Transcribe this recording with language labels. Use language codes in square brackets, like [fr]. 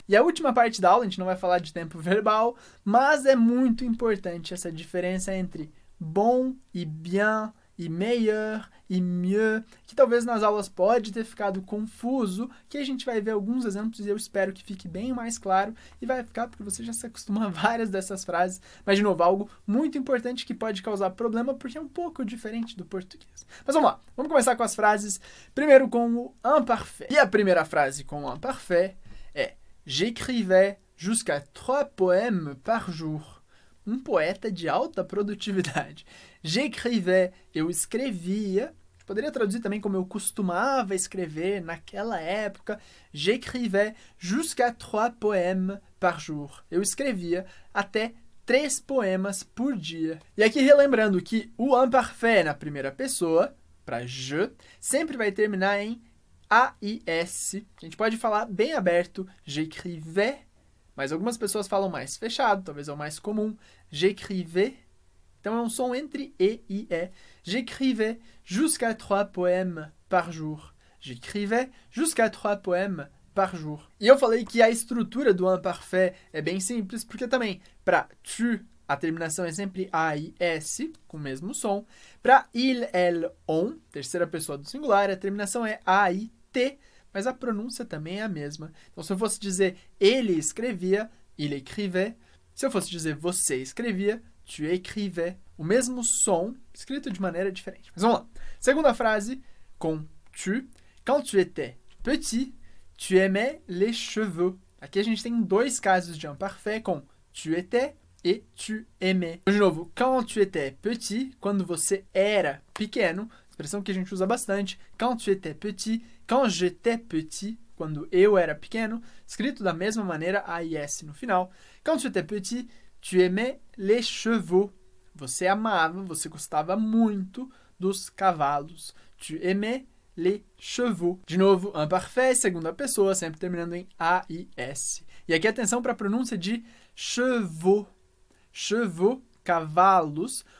[pt] E a última parte da aula, a gente não vai falar de tempo verbal, mas é muito importante essa diferença entre bon e bien, e meilleur, e mieux, que talvez nas aulas pode ter ficado confuso, que a gente vai ver alguns exemplos e eu espero que fique bem mais claro e vai ficar porque você já se acostuma a várias dessas frases, mas de novo, algo muito importante que pode causar problema porque é um pouco diferente do português. Mas vamos lá, vamos começar com as frases, primeiro com o imparfait. E a primeira frase com o imparfait é [fr] j'écrivais jusqu'à 3 poèmes par jour. [pt] Um poeta de alta produtividade. [fr] J'écrivais, [pt] eu escrevia. Poderia traduzir também como eu costumava escrever naquela época. [fr] J'écrivais jusqu'à 3 poèmes par jour. [pt] Eu escrevia até 3 poemas por dia. E aqui relembrando que o imparfait na primeira pessoa, para je, sempre vai terminar em A-I-S. A gente pode falar bem aberto, j'écrivais. Mas algumas pessoas falam mais fechado, talvez é o mais comum. J'écrivais. Então é um som entre E e E. [fr] J'écrivais jusqu'à 3 poèmes par jour. J'écrivais jusqu'à 3 poèmes par jour. [pt] E eu falei que a estrutura do imparfait é bem simples, porque também para tu, a terminação é sempre A e S, com o mesmo som. Para il, elle, on, terceira pessoa do singular, a terminação é A e T. Mas a pronúncia também é a mesma. Então, se eu fosse dizer ele escrevia, [fr] il écrivait. [pt] Se eu fosse dizer você escrevia, [fr] tu écrivais. [pt] O mesmo som, escrito de maneira diferente. Mas vamos lá. Segunda frase, com tu. [fr] Quand tu étais petit, tu aimais les chevaux. [pt] Aqui a gente tem dois casos de imparfait com tu étais e tu aimais. De novo, [fr] quand tu étais petit, [pt] quando você era pequeno, expressão que a gente usa bastante, [fr] quand tu étais petit, quand j'étais petit, [pt] quando eu era pequeno, escrito da mesma maneira, A e S no final. [fr] Quand tu étais petit, tu aimais les chevaux. [pt] Você amava, você gostava muito dos cavalos. [fr] Tu aimais les chevaux. [pt] De novo, imparfait, segunda pessoa, sempre terminando em A e S. E aqui atenção para a pronúncia de chevaux. Chevaux, cavalos.